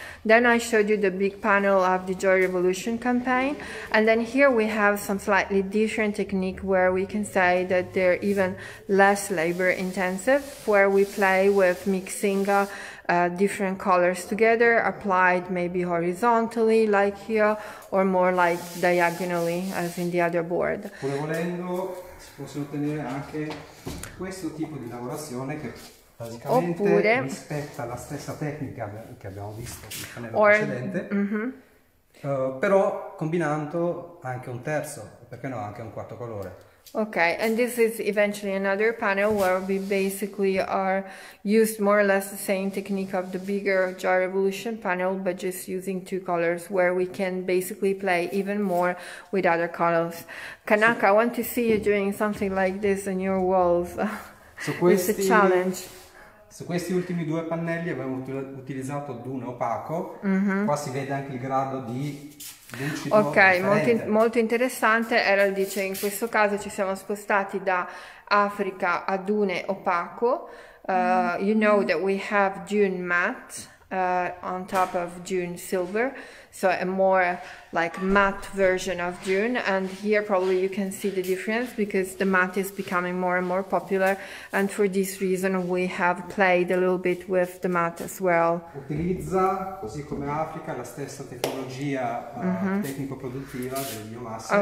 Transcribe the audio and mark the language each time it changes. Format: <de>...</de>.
<en>Then I showed you the big panel of the Joy Revolution campaign, and then here we have some slightly different technique where we can say that they're even less labor intensive, where we play with mixing different colors together, applied maybe horizontally like here, or more like diagonally as in the other board.</en> <it>Pure volendo, si possono ottenere anche questo tipo di lavorazione che praticamente oppure, rispetta la stessa tecnica che abbiamo visto nel panello precedente, però combinando anche un terzo, perché no, anche un quarto colore.</it> <en>Okay, and this is eventually another panel where we basically are used more or less the same technique of the bigger Joy Revolution panel, but just using two colors where we can basically play even more with other colors. Kanaka, I want to see you doing something like this in your walls.</en> <it>So questi,</it> <en>it's a challenge.</en> <it>Su questi ultimi due pannelli abbiamo utilizzato Dune opaco. Mm-hmm. Qua si vede anche il grado di lucido. Ok, molto interessante. Errol dice in questo caso ci siamo spostati da Africa a Dune opaco.</it> <en>You know that we have Dune matte on top of Dune silver, so a more like matte version of Dune, and here probably you can see the difference because the matte is becoming more and more popular, and for this reason we have played a little bit with the matte as well.</en> <it>Utilizza così come Africa la stessa tecnologia tecnico produttiva del mio master.</it>